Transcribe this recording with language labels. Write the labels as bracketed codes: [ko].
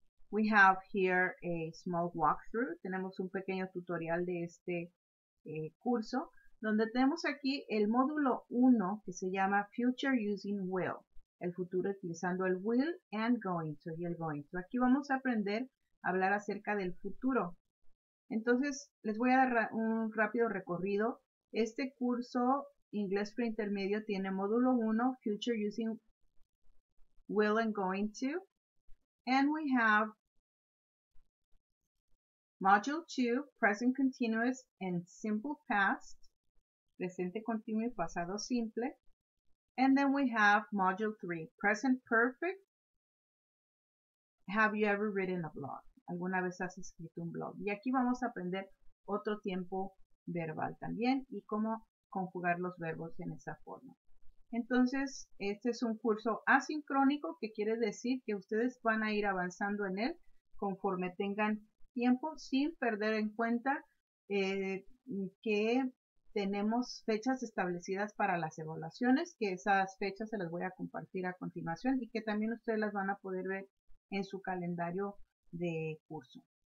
[en] We have here a small walkthrough. [es] Tenemos un pequeño tutorial de este curso, donde tenemos aquí el módulo 1 que se llama Future Using Will. El futuro utilizando el will and going to y el going to. Aquí vamos a aprender a hablar acerca del futuro. Entonces, les voy a dar un rápido recorrido. Este curso, Inglés Preintermedio, tiene módulo 1, Future Using Will and Going to. [en] And we have Module 2, Present Continuous and Simple Past. [es] Presente continuo y pasado simple. [en] And then we have Module 3, Present Perfect. Have you ever written a blog? [es] ¿Alguna vez has escrito un blog? Y aquí vamos a aprender otro tiempo verbal también y cómo conjugar los verbos en esa forma. Entonces, este es un curso asincrónico que quiere decir que ustedes van a ir avanzando en él conforme tengan tiempo sin perder en cuenta que tenemos fechas establecidas para las evaluaciones, que esas fechas se las voy a compartir a continuación y que también ustedes las van a poder ver en su calendario de curso.